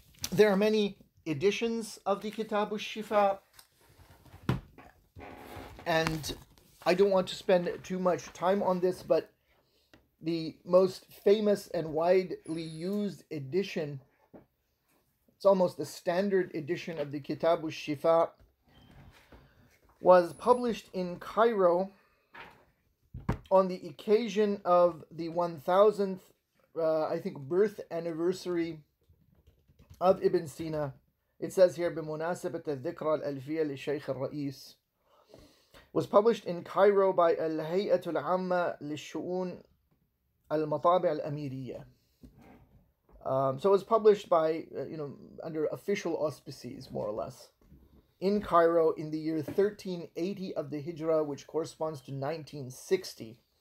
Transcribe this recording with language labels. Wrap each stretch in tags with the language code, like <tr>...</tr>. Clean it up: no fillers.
<en>There are many editions of the Kitab al-Shifa, and I don't want to spend too much time on this, but the most famous and widely used edition, it's almost the standard edition of the Kitab al-Shifa, was published in Cairo on the occasion of the 1000th, I think, birth anniversary of Ibn Sina. It says here,</en> <ar>بمناسبة الذكرى الألفية للشيخ الرئيس.</ar> <en>Was published in Cairo by الهيئة العامة لشئون المطابع الأميرية. So it was published by, you know, under official auspices, more or less, in Cairo in the year 1380 of the Hijra, which corresponds to 1960.</en>